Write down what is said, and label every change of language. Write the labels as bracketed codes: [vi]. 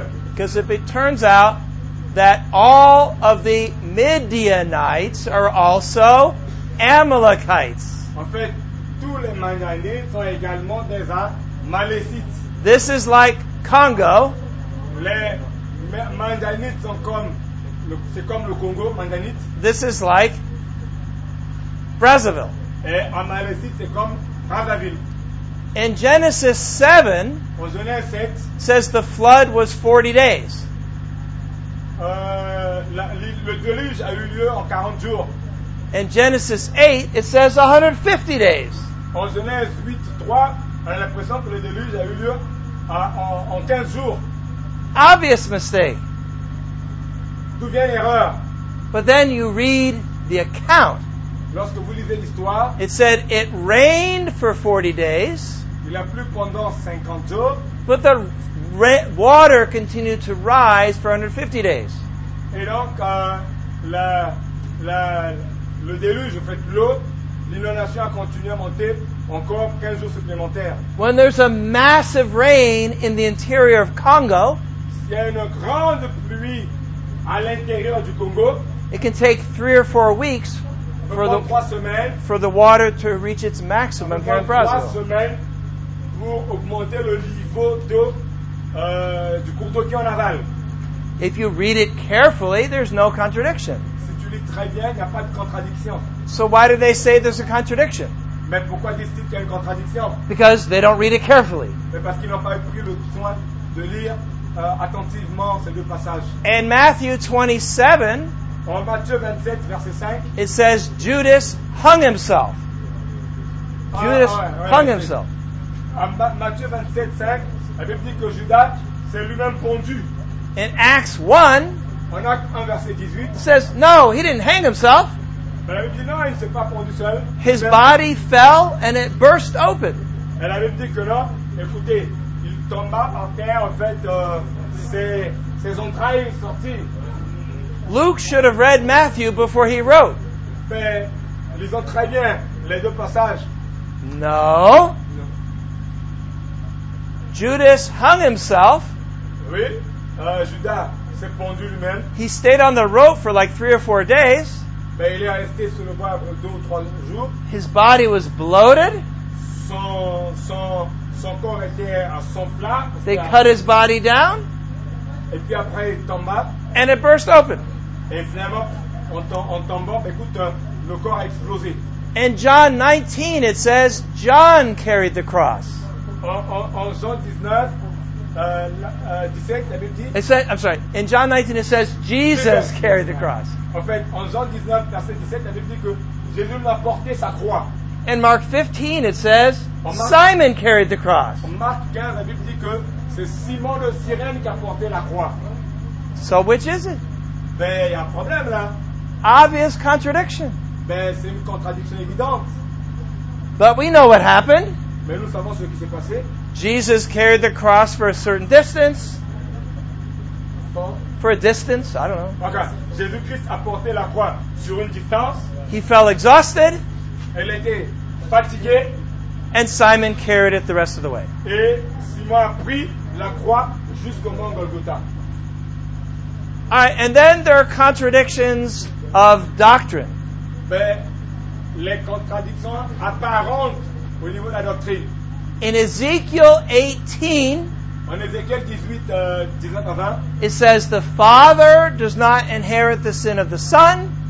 [en] Because if it turns out that all of the Midianites are also Amalekites. [fr] En fait, tous les Midianites sont également des Amalécites. [en] This is like Congo. [fr] Les Midianites sont comme le Congo, Midianites. [en] This is like Brazzaville. [fr] Et Amalécite, c'est comme Brazzaville. [en] In Genesis 7, [fr] en Genèse 7, [en] says the flood was 40 days. [fr] Le déluge a eu lieu en 40 jours. [en] In Genesis 8, it says 150 days. [fr] En Genèse 8, 3, on a l'impression que le déluge a eu lieu en 15 jours. [en] Obvious mistake. [fr] D'où vient l'erreur? [en] But then you read the account. [fr] Lorsque vous lisez l'histoire, [en] it said it rained for 40 days. [fr] Il a plu pendant 50 jours. [en] But the water continued to rise for 150 days. [fr] Et donc, le déluge, en fait, l'eau, l'inondation a continué à monter encore 15 jours supplémentaires. [en] When there's a massive rain in the interior of Congo, [fr] il y a une grande pluie à l'intérieur du Congo, [en] it can take 3 or 4 weeks for the water to reach its maximum here in Brazil. [fr] Pour augmenter le niveau d'eau, du cours d'eau qui est en aval. [en] If you read it carefully, there's no contradiction. [fr] Si tu lis très bien, il n'y a pas de contradiction. [en] So why do they say there's a contradiction? [fr] Mais pourquoi disent-ils qu'il y a une contradiction? [en] Because they don't read it carefully. [fr] Mais parce qu'ils n'ont pas pris le soin de lire attentivement ces deux passages. [en] In Matthew 27, [fr] en Matthieu 27, verset 5, [en] it says Judas hung himself. Judas hung himself. [fr] En Matthieu 27, 5, la Bible dit que Judas s'est lui-même pendu. [en] In Acts 1, [fr] en Acte 1, verset 18, [en] it says, no, he didn't hang himself. [fr] La Bible dit, non, il ne s'est pas pendu seul. [en] His body fell and it burst open. [fr] Et la Bible dit que non, écoutez, il tomba par terre, en fait, ses entrailles sont sorties. [en] Luke should have read Matthew before he wrote. [fr] Mais, lisons très bien les deux passages. [en] No. Judas hung himself. [fr] Oui, Judas s'est pendu lui-même. [en] He stayed on the rope for like 3 or 4 days. [fr] Mais il est resté sur le bois pour 2 ou 3 jours. [en] His body was bloated. [fr] Son corps était à son plat. [en] They cut his body down. [fr] Et puis après il tomba. [en] And it burst open. [fr] Et finalement, en tombant, écoute, le corps a explosé. [en] In John 19, it says John carried the cross. In John 19 it says Jesus carried the cross. [fr] En fait, en Jean 19, verset 17, la Bible dit que Jésus l'a porté sa croix. [en] In Mark 15 it says Simon carried the cross. [fr] En Marc 15, la Bible dit que c'est Simon de Cyrène qui a porté la croix. [en] So which is it? [fr] Ben, il y a un problème là. [en] Obvious contradiction. [fr] Ben, c'est une contradiction évidente. [en] But we know what happened. [fr] Mais nous savons ce qui s'est passé. [en] Jesus carried the cross for a certain distance. For a distance, I don't know. Okay. [fr] Jésus-Christ a porté la croix sur une distance. [en] He fell exhausted. [fr] Elle était fatiguée. [en] And Simon carried it the rest of the way. [fr] Et Simon a pris la croix jusqu'au mont Golgotha. [en] All right, and then there are contradictions of doctrine. [fr] Mais les contradictions apparentes. Au niveau de la doctrine. [en] In Ezekiel 18, [fr] en Ézéchiel 18, 19 à 20, [en] it says the father does not inherit the sin of the son.